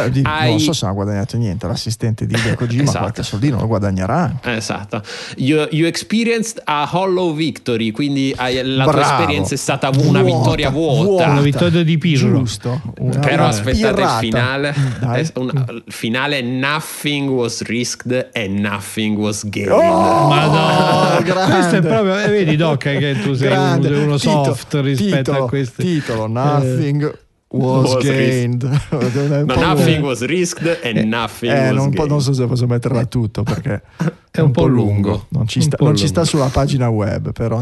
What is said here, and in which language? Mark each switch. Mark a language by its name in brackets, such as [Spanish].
[Italian] Non so se ha guadagnato niente l'assistente di Hideo Kojima. Esatto. Qualche soldino lo guadagnerà. Esatto. [English] You experienced a hollow victory, [Italian] quindi la tua esperienza è stata una vittoria vuota. Una vittoria di pirro. Giusto. Però aspettate pirata. Il finale. [English] Finale: nothing was risked and nothing was gained. [Italian] Oh, Madonna, questo è proprio, vedi Doc che tu sei grande. Uno soft rispetto a questo titolo. [English] Nothing was gained. Nothing was risked and nothing was [Italian] non [English] gained. [Italian] Non so se posso metterla tutto perché è un po' lungo. Non ci sta, non ci sta sulla pagina web, però.